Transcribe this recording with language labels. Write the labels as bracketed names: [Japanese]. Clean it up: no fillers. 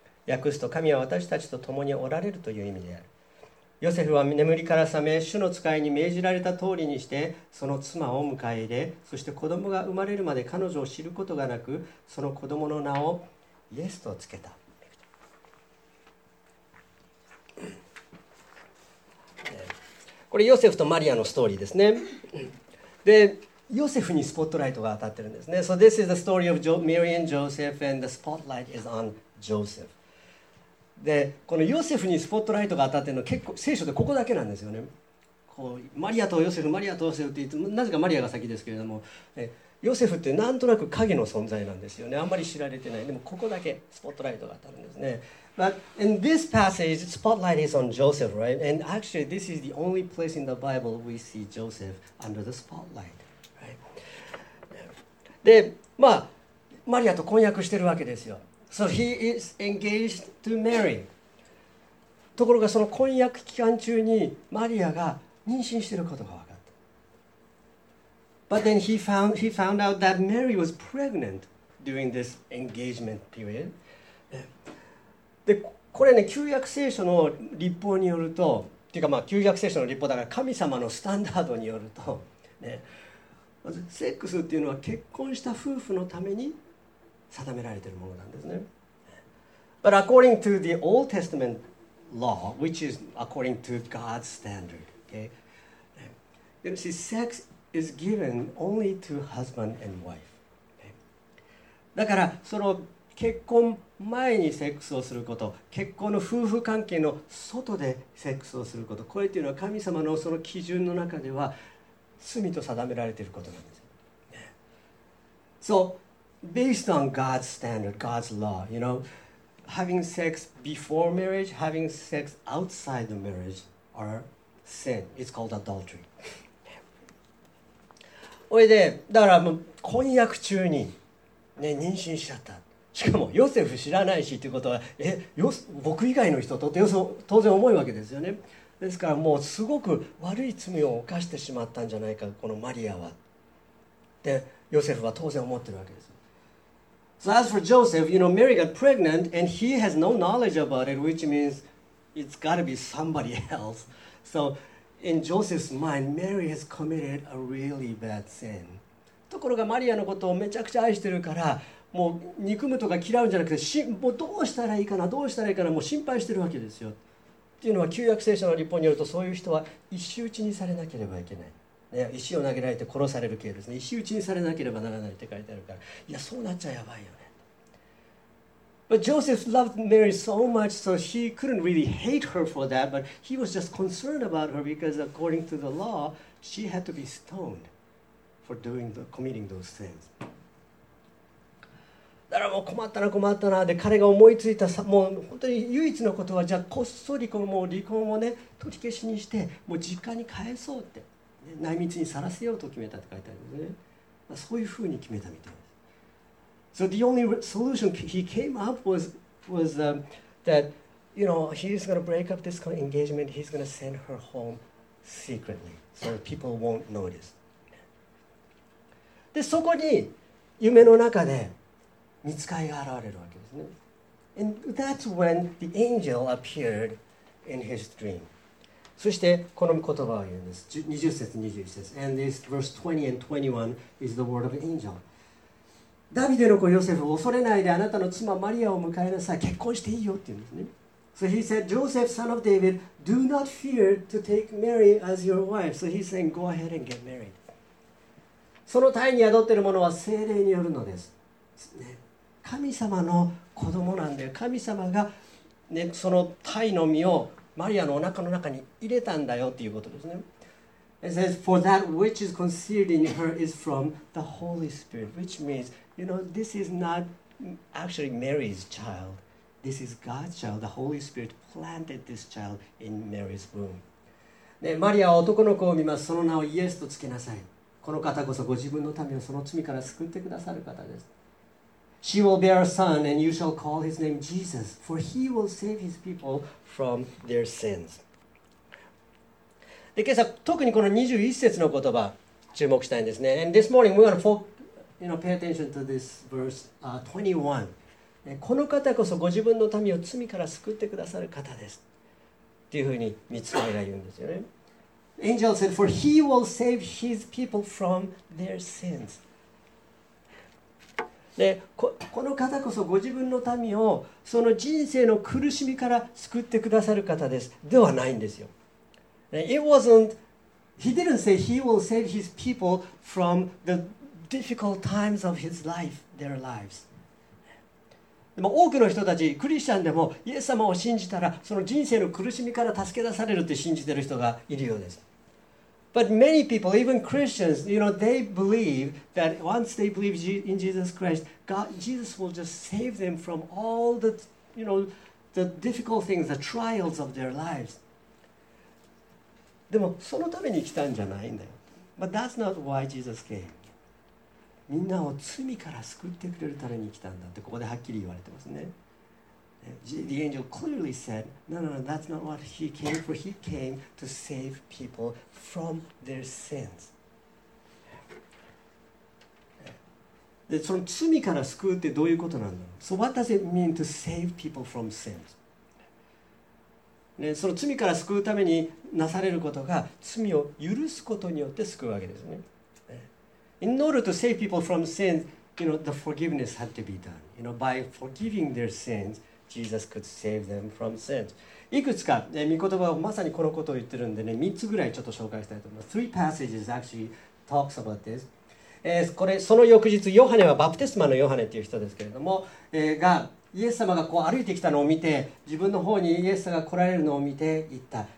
[Japanese] 訳すと、神は私たちと共におられるという意味である。ヨセフは眠りから覚め、主の使いに命じられた通りにして、その妻を迎え入れ、そして子供が生まれるまで彼女を知ることがなく、その子供の名をイエスとつけた。これヨセフとマリアのストーリーですね。で、ヨセフにスポットライトが当たってるんですね。 [English] So this is the story of Mary and Joseph, and the spotlight is on Joseph. [Japanese] で、このヨセフにスポットライトが当たっているのは結構聖書でここだけなんですよね。こうマリアとヨセフ、マリアとヨセフって言って、なぜかマリアが先ですけれども、ヨセフってなんとなく影の存在なんですよね。あんまり知られてない。でもここだけスポットライトが当たるんですね。 [English] But in this passage, spotlight is on Joseph, right? And actually, this is the only place in the Bible we see Joseph under the spotlight, right? [Japanese] で、まあマリアと婚約してるわけですよ。 [English] So he is engaged to Mary. [Japanese] ところがその婚約期間中にマリアが妊娠していることが分かった。 [English] But then he found out that Mary was pregnant during this engagement period. [Japanese] で、これね、旧約聖書の律法によると、っていうか、まあ旧約聖書の律法だから神様のスタンダードによると、ね、まずセックスっていうのは結婚した夫婦のために定められているものなんですね。 [English] But according to the Old Testament law, which is according to God's standard, okay, you see, sex is given only to husband and wife. [Japanese] だからその結婚前にセックスをすること、結婚の夫婦関係の外でセックスをすること、これっていうのは神様のその基準の中では罪と定められていることなんです。 [English] So. Based on God's standard, God's law, you know, having sex before marriage, having sex outside the marriage are sin. It's called adultery. [Japanese] おいで、だからもう婚約中に、ね、妊娠しちゃった。しかもヨセフ知らないしということは、僕以外の人とって当然思うわけですよね。ですからもうすごく悪い罪を犯してしまったんじゃないか、このマリアは。で、ヨセフは当然思ってるわけです。 [English] So as for Joseph, you know, Mary got pregnant and he has no knowledge about it, which means it's got to be somebody else. So in Joseph's mind, Mary has committed a really bad sin. [Japanese] ところがマリアのことをめちゃくちゃ愛してるから、もう憎むとか嫌うんじゃなくて、もうどうしたらいいかな、どうしたらいいかな、もう心配してるわけですよ。っていうのは旧約聖書の律法によると、そういう人は石打ちにされなければいけない。ね、石を投げられて殺される系ですね。石打ちにされなければならないって書いてあるから、いや、そうなっちゃやばいよね。 [English] But Joseph loved Mary so much, so he couldn't really hate her for that, but he was just concerned about her because according to the law, she had to be stoned for doing the, committing those sins. [Japanese] だからもう困ったな困ったな。で、彼が思いついたさ、もう本当に唯一のことは、じゃあこっそりこのもう離婚をね、取り消しにして、もう実家に帰そうって、ね、内密にさらせようと決めたって書いてあるんですね。まあ、そういうふうに決めたみたいです。 [English] So the only solution he came up was that, you know, he's going to break up this engagement, he's going to send her home secretly, so people won't notice. [Japanese] で、そこに夢の中で、見つかりが現れるわけですね。 [English] And that's when the angel appeared in his dream. [Japanese] そしてこの言葉を言うんです。 20節、21節。 [English] And this verse 20 and 21 is the word of an angel. [Japanese] ダビデの子ヨセフ、恐れないであなたの妻マリアを迎えなさい。結婚していいよって言うんですね。 [English] So he said, Joseph, son of David, do not fear to take Mary as your wife. So he's saying, go ahead and get married. [Japanese] その胎に宿っているものは聖霊によるのです。神様の子供なんだよ。神様が、ね、その胎の身をマリアのお腹の中に入れたんだよっていうことですね。 [English] It says, for that which is conceived in her is from the Holy Spirit, which means, you know, this is not actually Mary's child. This is God's child. The Holy Spirit planted this child in Mary's womb. [Japanese] ね、マリアは男の子を見ます。その名をイエスとつけなさい。この方こそご自分の民をその罪から救ってくださる方です。 [English] She will bear a son, and you shall call his name Jesus, for he will save his people from their sins. [Japanese] で、今朝特にこの21節の言葉注目したいんですね。 [English] And this morning we're going to you know, pay attention to this verse 21. [Japanese] この方こそご自分の民を罪から救ってくださる方です。っていうふうに御使いが言うんですよね。 [English] Angel said, for he will save his people from their sins. [Japanese] で、この方こそご自分の民をその人生の苦しみから救ってくださる方です。ではないんですよ。 [English] It wasn't, he didn't say he will save his people from the difficult times of his life, their lives. [Japanese] でも多くの人たち、クリスチャンでもイエス様を信じたらその人生の苦しみから助け出されるって信じてる人がいるようです。 [English] But many people, even Christians, you know, they believe that once they believe in Jesus Christ, God, Jesus will just save them from all the, you know, the difficult things, the trials of their lives. [Japanese] でもそのために来たんじゃないんだよ。 [English] But that's not why Jesus came. [Japanese] みんなを罪から救ってくれるために来たんだってここではっきり言われてますね。 [English] The angel clearly said, no, no, no, that's not what he came for. He came to save people from their sins. [Japanese] で、その罪から救うってどういうことなんだろう? [English] So what does it mean to save people from sins? [Japanese] ね、その罪から救うためになされることが罪を許すことによって救うわけですね。 [English] In order to save people from sins, you know, the forgiveness had to be done. You know, by forgiving their sins,Jesus could save them from sins. [Japanese] いくつか、ね、御言葉はまさにこのことを言ってるんでね、3つぐらいちょっと紹介したいと思います。 [English] 3 passages actually talks about this. [Japanese] これその翌日、ヨハネはバプテスマのヨハネっていう人ですけれども、がイエス様がこう歩いてきたのを見て、自分の方にイエス様が来られるのを見て言った。